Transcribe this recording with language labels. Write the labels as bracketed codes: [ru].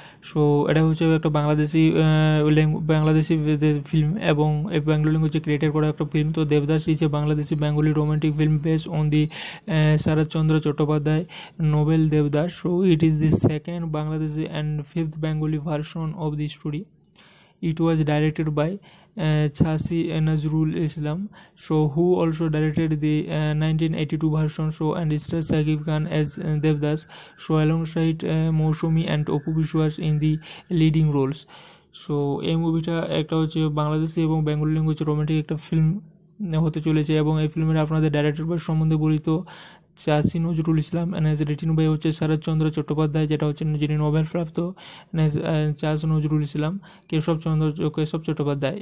[bn] So এটা হচ্ছে একটা বাংলাদেশি ফিল্ম, এবং এই বেঙ্গলি ল্যাঙ্গুয়েজে ক্রিয়েটেড করা একটা ফিল্ম। [en] তো Devdas is a Bangladeshi Bengali romantic film base on the Sharatchandra Chattopadhyay novel Devdas. So it is the second Bangladeshi and fifth Bengali version of the story. It was directed by Chashi Nazrul Islam, so who also directed the 1982 version. So and stars Shakib Khan as Devdas, so alongside Moushumi and Apu Biswas in the leading roles. [bn] So এই মুভিটা একটা হচ্ছে বাংলাদেশি এবং Bengali language romantic একটা film হতে চলেছে। এবং এই ফিল্মের আপনাদের ডাইরেক্টর বা সম্বন্ধে বলি তো চাষি Nazrul Islam, [en] and has written by [bn] হচ্ছে শরৎচন্দ্র চট্টোপাধ্যায়, যেটা হচ্ছে যিনি নোবেল প্রাপ্ত চাষি নজরুল ইসলাম, কেশব চট্টোপাধ্যায়।